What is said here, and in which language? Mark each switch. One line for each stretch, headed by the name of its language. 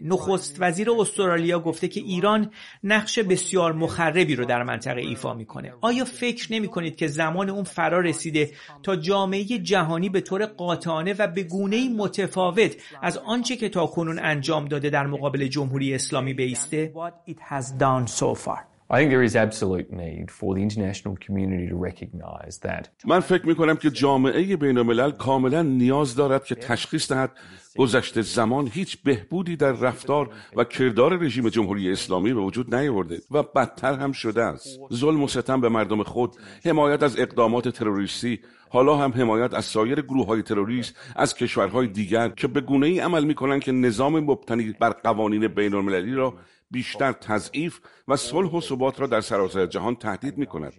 Persian: نخست وزیر استرالیا گفته که ایران نقش بسیار مخربی رو در منطقه ایفا میکنه. آیا فکر نمیکنید که زمان اون فرا رسیده تا جامعه جهانی به طور قاطعانه و به گونه‌ای متفاوت از آنچه که تاکنون انجام داده در مقابل جمهوری اسلامی بایسته؟
English: I think there is absolute need for the international community to recognize that.
Persian: من فکر می‌کنم که جامعه بین‌الملل کاملاً نیاز دارد که تشخیص دهد گذشته زمان هیچ بهبودی در رفتار و کردار رژیم جمهوری اسلامی به وجود نیاورده و بدتر هم شده است. ظلم و ستم به مردم خود، حمایت از اقدامات تروریستی، حالا هم حمایت از سایر گروه‌های تروریست از کشورهای دیگر که به گونه‌ای عمل می‌کنند که نظام مبتنی بر قوانین بین‌المللی را بیشتر تضعیف و صلح و ثبات را در سراسر جهان تهدید می‌کند.